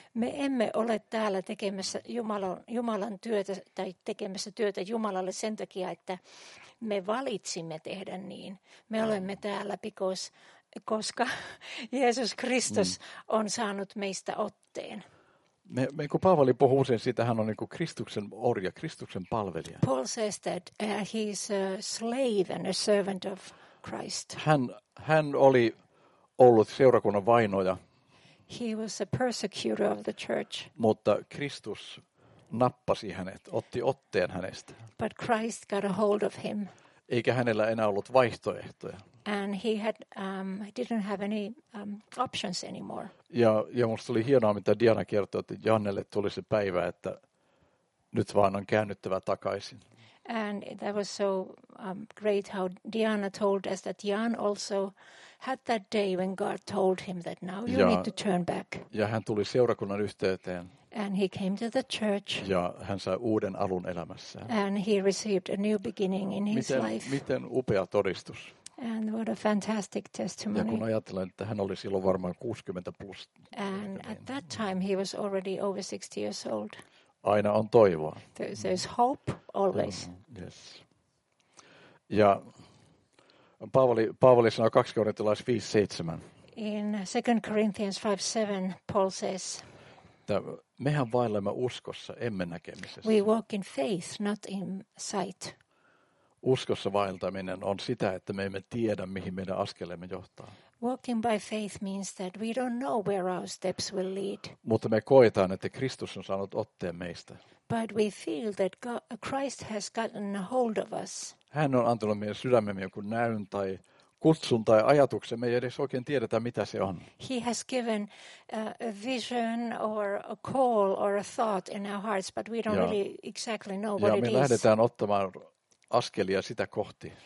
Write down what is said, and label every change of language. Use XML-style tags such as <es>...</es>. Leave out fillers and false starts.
<fi>Me emme ole täällä tekemässä Jumalan työtä tai tekemässä työtä Jumalalle sen takia, että me valitsimme tehdä niin. Me olemme täällä, koska Jeesus Kristus on saanut meistä otteen. Me kun Paavali puhuu sen, siitä hän on niin kuin Kristuksen orja, Kristuksen palvelija.</fi> <en>Paul says that he is a slave and a servant of Christ.</en> <fi>Hän oli ollut seurakunnan vainoja.</fi> <en>He was a persecutor of the church.</en> <fi>Mutta Kristus nappasi hänet, otti otteen hänestä.</fi> <en>But Christ got a hold of him.</en> <fi>Eikä hänellä enää ollut vaihtoehtoja.</fi> <en>And he had didn't have any options anymore.</en> <fi>Ja musta oli hienoa, mitä Diana kertoi, että Jannelle tuli se päivä, että nyt vaan on käännyttävä takaisin.</fi> <en>And that was so great how Diana told us that Jan also had that day when God told him that now you need to turn back.</en> <fi>Ja hän tuli seurakunnan yhteyteen.</fi> <en>And he came to the church.</en> <fi>Ja hän sai uuden alun elämässään.</fi> <en>And he received a new beginning in his life.</en> <fi>Miten upea todistus.</fi> <en>And what a fantastic testimony.</en> <fi>Ja kun ajattelen, että hän oli silloin varmaan 60 plus.</fi> <en>And at that time he was already over 60 years old.</en> <fi>Aina on toivoa.</fi> <en>There's hope always. Yes.</en> <fi>Ja Paavali sanoo 2 Korintolaiskirjeen 5:7.</fi> <en>In 2 Corinthians 5:7, Paul says,</en> <fi>mehän vaellamme uskossa, emme näkemisessä.</fi> <en>We walk in faith, not in sight.</en> <fi>Uskossa vaeltaminen on sitä, että me emme tiedä, mihin meidän askeleemme johtaa.</fi> <en>Walking by faith means that we don't know where our steps will lead.</en> <fi>Mutta me koetaan, että Kristus on saanut otteen meistä.</fi> <en>But we feel that Christ has gotten a hold of us.</en> <fi>Hän on antanut meidän sydämemme jonkun näyn tai kutsun tai ajatuksen. Me ei edes oikein tiedetä, mitä se on.</fi> <en>He has given a vision or a call or a thought in our hearts, but we don't really exactly know what it is.</en> <fi>Ja me lähdetään ottamaan askelia sitä kohti.</fi>